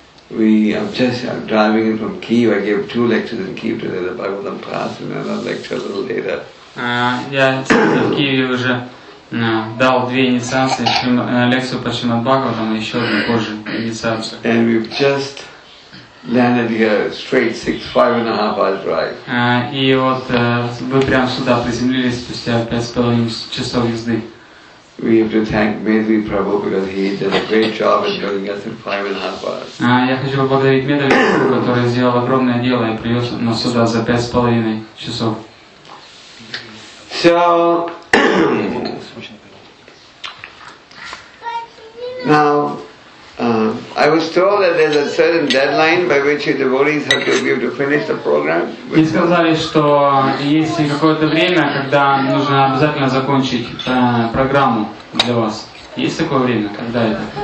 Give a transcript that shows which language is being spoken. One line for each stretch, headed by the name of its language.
English: I'm driving in from Kyiv. I gave 2 lectures in Kyiv today, the Bhagavatam class, and then another lecture a little later.
Russian: Я в Киеве уже дал 2 инициации, лекцию по Шримад Бхагаватам, еще одну позже инициацию.
English: And we've just landed here, straight 5.5 hours drive.
Russian: Вы прямо сюда приземлились спустя 5.5 часов езды.
English: We have to thank Medhavi Prabhu because he did a great job in bringing us in 5.5 hours.
Russian: Я хочу поблагодарить Медхави Прабху, который сделал огромное дело и привез нас сюда за 5.5 часов.
English: So now I was told that there's a certain deadline by which the devotees have to be able to finish the program.
Russian: Мне сказали, что есть какое-то время, когда нужно обязательно закончить программу. Для вас есть такое время, когда это?